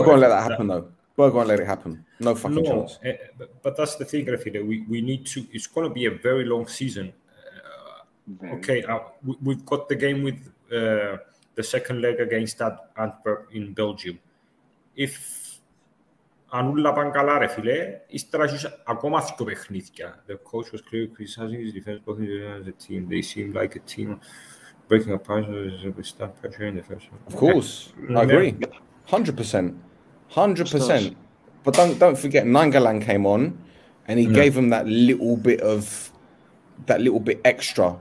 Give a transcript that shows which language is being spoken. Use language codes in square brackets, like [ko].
[en] We're going to let that happen, though. We're going to let it happen. No fucking chance. But that's the thing, Rafi, that we need to... It's going to be a very long season. We've got the game with the second leg against that Antwerp in Belgium. If... [el] Αν όλα πάνε καλά, ρε φίλε, ύστερα ζούσε ακόμα δύο παιχνίδια. [en] The coach was clear, criticizing his defense, both his team. They seem like a team breaking apart with stand pressure in the first one. Of course, yeah. I agree. 100%. 100%. But don't forget, Nainggolan came on and he gave them that little bit extra.